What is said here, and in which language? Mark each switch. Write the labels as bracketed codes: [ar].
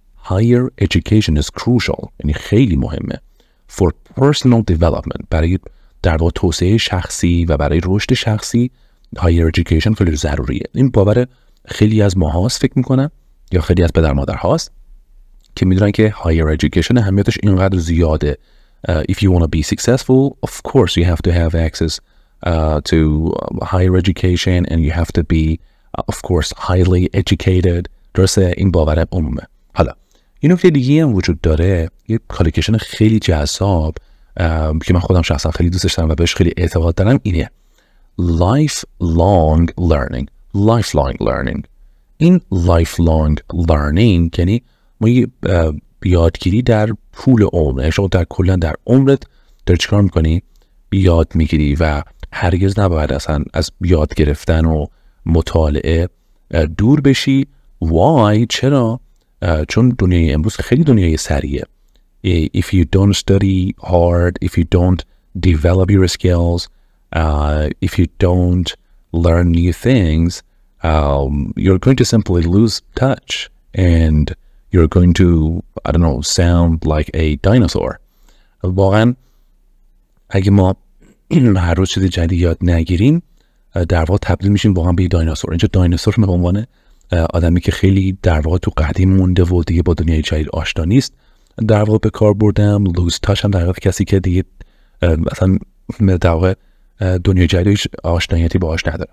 [en] higher education is crucial [fa] یعنی خیلی مهمه [en] for personal development، [fa] برای در واقع توسعه شخصی و برای رشد شخصی higher education خیلی ضروریه. این باور خیلی از ماها هست فکر میکنن یا خیلی از پدر مادر هاست که میدونن که higher education اهمیتش اینقدر زیاده. [en] If you want to be successful of course you have to have access to higher education and you have to be of course highly educated. [fa] درسته، این باور عمومه. حالا یه نکته دیگه هم وجود داره، یه کالیکیشن خیلی جذاب که من خودم شخصا خیلی دوستش دارم و بهش خیلی اعتقاد دارم، اینه lifelong learning. lifelong learning این lifelong learning یعنی ما یه یادگیری در طول عمر، شما در کلا در عمرت در چیکار میکنی؟ یاد میگیری و هرگز نباید اصلا از یاد گرفتن و مطالعه دور بشی. why؟ چرا؟ چون دنیای امروز خیلی دنیای سریه. [en] If you don't study hard, if you don't develop your skills, if you don't learn new things, you're going to simply lose touch and you're going to, I don't know, sound like a dinosaur. [fa] واقعا اگه ما هر روز چیزی جدید یاد نگیریم در واقع تبدیل میشیم واقعا به یه دایناسور. اینجا دایناسور به عنوان آدمی که خیلی در واقع تو قدیم مونده و دیگه با دنیای جدید آشنا نیست در واقع به کار بردم. لوز تاچ هم در واقع کسی که دیگه مثلا در واقع دنیای جدیدش آشنایتی باهاش نداره.